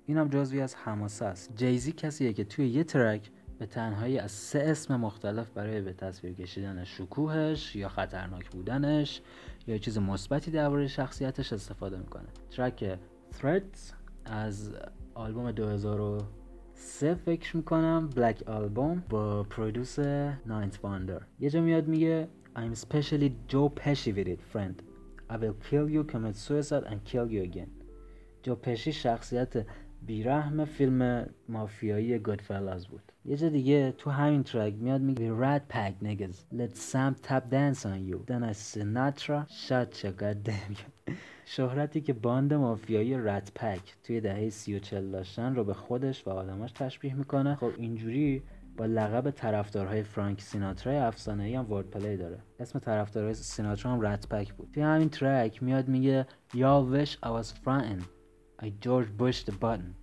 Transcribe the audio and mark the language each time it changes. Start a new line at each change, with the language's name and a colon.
Persian: اینم جزوی از حماسه است. جیزی کسیه که توی یه ترک به تنهایی از سه اسم مختلف برای به تصویر کشیدن شکوهش یا خطرناک بودنش یا چیز مثبتی درباره شخصیتش استفاده میکنه. ترک Threats از آلبوم 2003 فکر میکنم، بلک آلبوم، با پرودوس ناینت واندر. یه جا میاد میگه
English: I'm specially Joe Pesci with it, friend. I will kill you, commit suicide and kill you again. Joe Pesci
Persian: شخصیت بیرحم فیلم مافیایی گودفلاز بود. یه جا دیگه تو همین ترک میاد میگه
English: We rat pack niggas, let some tap dance on you, then I Sinatra shot you, god damn you.
Persian: شهرتی که باند مافیایی رت پک توی دهه 30 و 40 داشتن رو به خودش و آدماش تشبیه میکنه. خب اینجوری با لقب طرفدارهای فرانک سیناترا افسانه‌ای هم وردپلی داره. اسم طرفدارهای سیناترا هم رت پک بود. توی همین ترک میاد میگه
English: Y'all wish I was frontin, I George Bush the button.